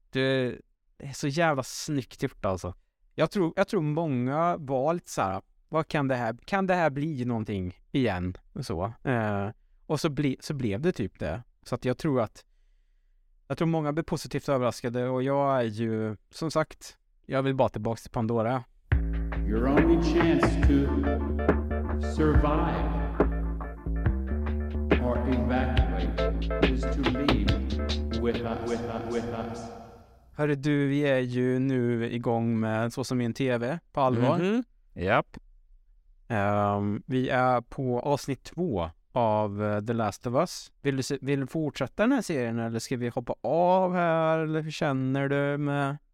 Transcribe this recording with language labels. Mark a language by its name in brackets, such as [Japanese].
[Swedish] Det är så jävla snyggt gjort alltså. Jag tror många var lite så här, vad kan det här bli någonting igen och så. Och så blev det typ det. Så att jag tror många blev positivt överraskade, och jag är ju som sagt, jag vill bara tillbaka till Pandora. [English] Your only chance to survive or evacuate is to leave. With us. [Swedish] Hörru du, vi är ju nu igång med Så som i en TV på allvar. Japp. Vi är på avsnitt 2 av The Last of Us. Vill du fortsätta den här serien, eller ska vi hoppa av här, eller hur känner du med?